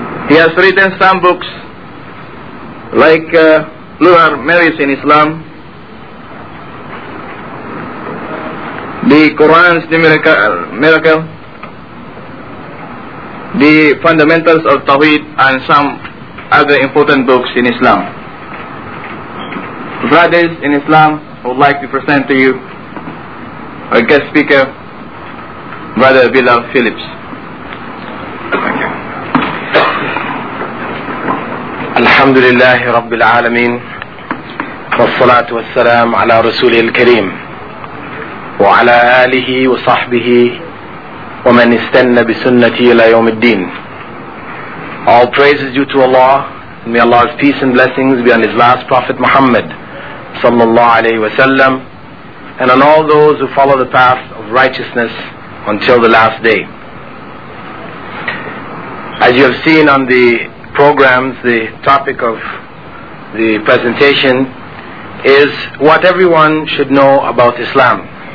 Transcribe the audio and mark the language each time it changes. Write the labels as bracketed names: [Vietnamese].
[English] He has written some books like Plural Marriage in Islam, The Quran's Miracle, The Fundamentals of Tawhid, and some other important books in Islam. Brothers in Islam, I would like to present to you our guest speaker, Brother Bilal Phillips. [Arabic] الحمد لله رب العالمين والصلاة والسلام على رسوله الكريم وعلى آله وصحبه ومن استنى بسنته إلى يوم الدين. [English] All praise is due to Allah, and may Allah's peace and blessings be on His last Prophet Muhammad [Arabic] صلى الله عليه وسلم [English] and on all those who follow the path of righteousness until the last day. As you have seen on the programs, the topic of the presentation is what everyone should know about Islam.